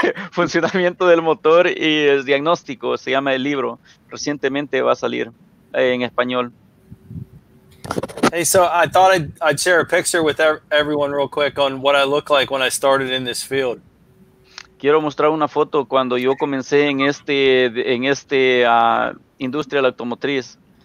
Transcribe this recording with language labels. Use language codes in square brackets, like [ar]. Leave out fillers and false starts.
[es] funcionamiento del motor y el diagnóstico, se llama el libro. Recientemente va a salir en español. [en] Hey, so I thought I'd share a picture with everyone real quick on what I look like when I started in this field. [es] Quiero mostrar una foto cuando yo comencé en esta industria de la automotriz.